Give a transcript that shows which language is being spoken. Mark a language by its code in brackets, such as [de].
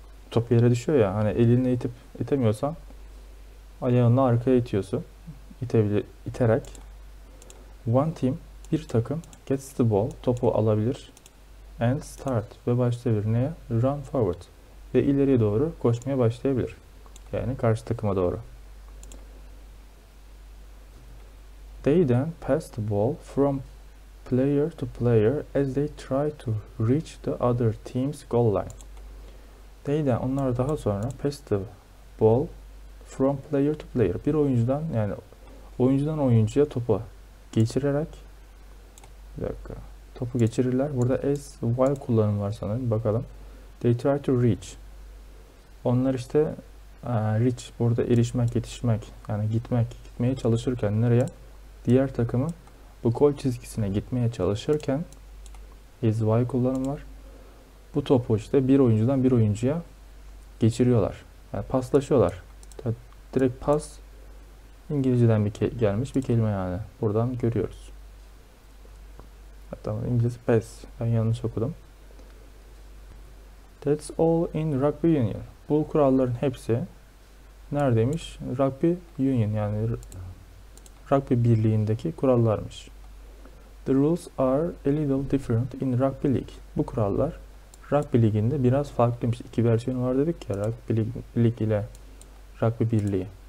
[tr] Top yere düşüyor ya, hani elinle itip itemiyorsan ayağınla arkaya itiyorsun. İterek [en] one team, [tr] bir takım [en] gets the ball, [tr] topu alabilir [en] and start [tr] ve başlayabilir. Neye? [en] Run forward. [tr] Ve ileriye doğru koşmaya başlayabilir. Yani karşı takıma doğru. [en] They then pass the ball from player to player as they try to reach the other team's goal line. They then [tr] onlar daha sonra [en] pass the ball from player to player. [tr] Bir oyuncudan yani oyuncudan oyuncuya topu geçirerek bir dakika. Topu geçirirler. Burada as while kullanım var sanırım. Bakalım. [en] They try to reach. [tr] Onlar işte reach. Burada erişmek, yetişmek. Yani gitmek. Gitmeye çalışırken nereye? Diğer takımın bu gol çizgisine gitmeye çalışırken is while kullanım var. Bu topu işte bir oyuncudan bir oyuncuya geçiriyorlar. Yani paslaşıyorlar. Direkt pas İngilizceden bir gelmiş bir kelime yani. Buradan görüyoruz. Hatta İngilizce pass. Ben yanlış okudum. [en] That's all in rugby union. [tr] Bu kuralların hepsi neredeymiş? Rugby union yani rugby birliğindeki kurallarmış. [en] The rules are a little different in rugby league. [tr] Bu kurallar rugby liginde biraz farklıymış. İki versiyon var dedik ya rugby lig ile rugby birliği.